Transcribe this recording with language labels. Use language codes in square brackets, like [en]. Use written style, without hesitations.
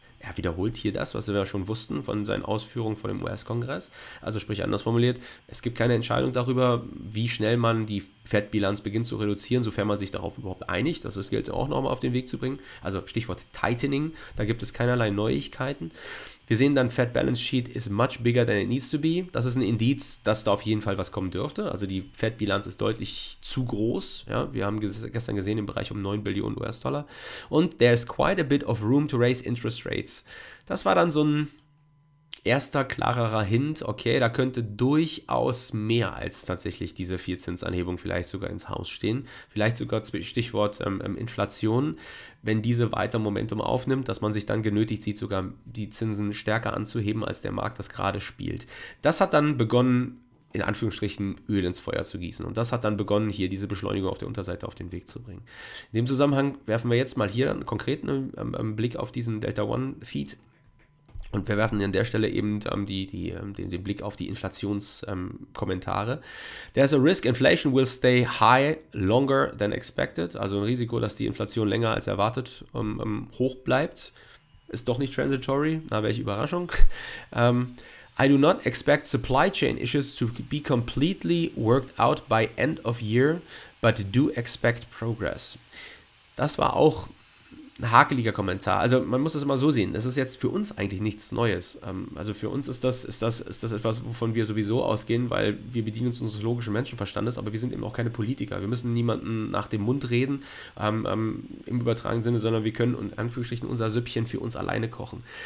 [de] Er wiederholt hier das, was wir schon wussten von seinen Ausführungen von dem US-Kongress. Also sprich anders formuliert, es gibt keine Entscheidung darüber, wie schnell man die Fed-Bilanz beginnt zu reduzieren, sofern man sich darauf überhaupt einigt. Das gilt auch nochmal auf den Weg zu bringen. Also Stichwort Tightening, da gibt es keinerlei Neuigkeiten. Wir sehen dann, [en] Fed Balance Sheet is much bigger than it needs to be. [de] Das ist ein Indiz, dass da auf jeden Fall was kommen dürfte. Also die Fed-Bilanz ist deutlich zu groß. Ja, wir haben gestern gesehen im Bereich um 9 Billionen US-Dollar. [en] Und there is quite a bit of room to raise interest rates. [de] Das war dann so ein erster klarerer Hint, okay, da könnte durchaus mehr als tatsächlich diese Vierzinsanhebung vielleicht sogar ins Haus stehen. Vielleicht sogar Stichwort Inflation, wenn diese weiter Momentum aufnimmt, dass man sich dann genötigt sieht, sogar die Zinsen stärker anzuheben, als der Markt das gerade spielt. Das hat dann begonnen, in Anführungsstrichen Öl ins Feuer zu gießen. Und das hat dann begonnen, hier diese Beschleunigung auf der Unterseite auf den Weg zu bringen. In dem Zusammenhang werfen wir jetzt mal hier einen konkreten Blick auf diesen Delta One Feed. Und wir werfen an der Stelle eben den Blick auf die Inflationskommentare. [en] There's a risk, inflation will stay high longer than expected. [de] Also ein Risiko, dass die Inflation länger als erwartet hoch bleibt. Ist doch nicht transitory. Na, welche Überraschung. [en] I do not expect supply chain issues to be completely worked out by end of year, but do expect progress. [de] Das war auch ein hakeliger Kommentar. Also man muss das immer so sehen. Das ist jetzt für uns eigentlich nichts Neues. Also für uns ist das etwas, wovon wir sowieso ausgehen, weil wir bedienen uns unseres logischen Menschenverstandes, aber wir sind eben auch keine Politiker. Wir müssen niemanden nach dem Mund reden, im übertragenen Sinne, sondern wir können in Anführungsstrichen unser Süppchen für uns alleine kochen.